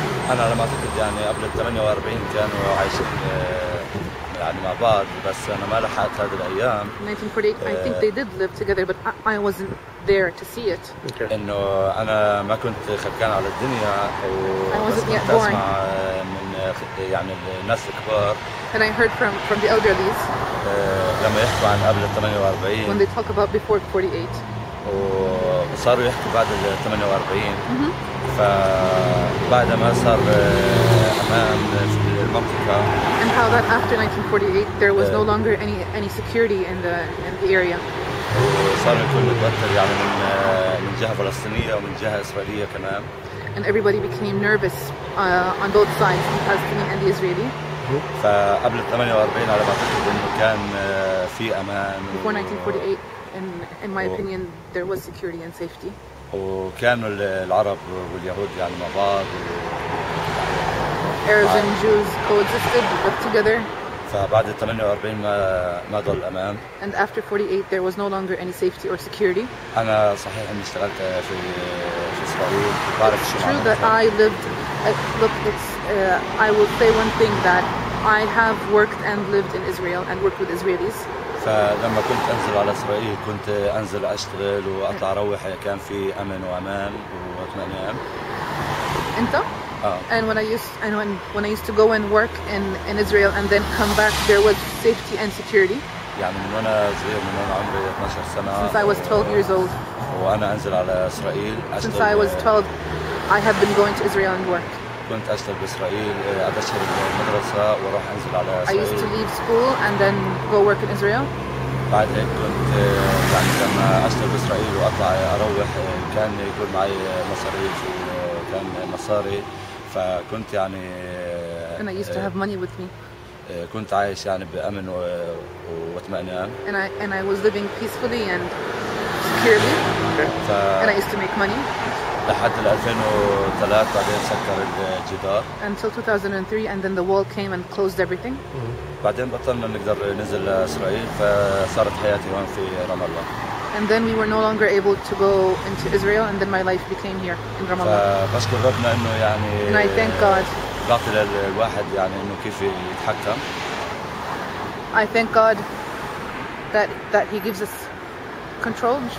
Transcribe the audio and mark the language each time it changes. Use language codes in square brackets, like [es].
[ar] أنا لما أعتقد يعني قبل 48 كانوا عايشين يعني مع بعض بس أنا ما لحقت هذه الأيام. [en] 1948. I think they did live together, but I wasn't there to see it. Okay. [ar] إنه أنا ما كنت خلقان على الدنيا و. [en] I wasn't yet born. [ar] أسمع من يعني الناس الكبار. [en] And I heard from the elderlies. [ar] لما يحكوا عن قبل 48. [en] When they talk about before 48. [ar] وصاروا يحكوا بعد 48. Mm-hmm. فبعد ما صار أمان في المنطقة. [en] And how that after 1948 there was no longer any security in the area. [ar] وصار يكون متوتر يعني من جهة فلسطينية ومن جهة إسرائيلية كمان. [en] And everybody became nervous on both sides, the Palestinian and the Israeli. [ar] فقبل 48 على ما أعتقد إنه كان في أمان. [en] Before 1948. In my opinion, there was security and safety. [ar] وكانوا العرب واليهود يعني مع بعض. [en] Arabs and Jews coexisted, but together. [ar] فبعد 48 ما ضل أمان. [en] And after 48, there was no longer any safety or security. [ar] أنا صحيح إني اشتغلت في إسرائيل. [en] It's true that I lived. Look, it's. I will say one thing that I have worked and lived in Israel and worked with Israelis. [ar] فلما كنت أنزل على إسرائيل كنت أنزل أشتغل وأطلع أروح كان في أمن وأمان وأطمئنان. أنت؟ [en] And when I used to go and work in Israel and then come back there was safety and security. [ar] يعني من وأنا صغير من وأنا عمري 12 سنة. [en] Since I was 12 years old. [ar] وأنا أنزل على إسرائيل. [en] Since I was 12, I have been going to Israel and work. [ar] كنت أشتغل بإسرائيل أدشر المدرسة وروح أنزل على إسرائيل. [en] I used to leave school and then go work in Israel. [ar] بعد هيك كنت يعني لما أشتغل بإسرائيل وأطلع أروح كان يكون معي مصاريف وكان مصاري فكنت يعني. [en] And I used to have money with me. [ar] كنت عايش يعني بأمن واطمئنان. [en] And I was living peacefully and securely. And I used to make money. [ar] لحد 2003 بعدين سكر الجدار. [en] Until 2003 and then the wall came and closed everything. [ar] بعدين بطلنا نقدر ننزل لإسرائيل فصارت حياتي هون في رام الله. [en] And then we were no longer able to go into Israel and then my life became here in Ram Allah. [ar] فبشكر ربنا إنه يعني. [en] And I thank God. [ar] بعطي للواحد يعني إنه كيف يتحكم. [en] I thank God that he gives us control.